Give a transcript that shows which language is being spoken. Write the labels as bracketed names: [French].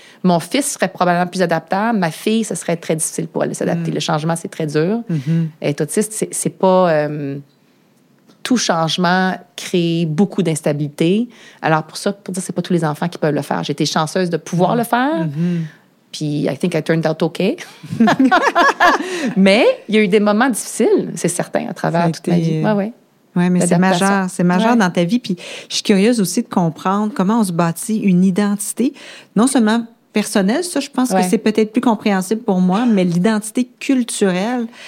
[French] Mon fils serait probablement plus adaptable. Ma fille, ce serait très difficile pour elle de s'adapter. Mmh. Le changement, c'est très dur. Mmh. Être autiste, c'est pas... tout changement crée beaucoup d'instabilité. Alors, pour ça, pour dire, c'est pas tous les enfants qui peuvent le faire. J'ai été chanceuse de pouvoir le faire. Mm-hmm. [English] Puis, I think I turned out okay. [French] Mais, il y a eu des moments difficiles, c'est certain, à travers toute ma vie. Ouais, ouais. Ouais, mais c'est majeur. C'est majeur dans ta vie. Puis, je suis curieuse aussi de comprendre comment on se bâtit une identité, non seulement personnelle, ça, je pense que c'est peut-être plus compréhensible pour moi, mais l'identité culturelle.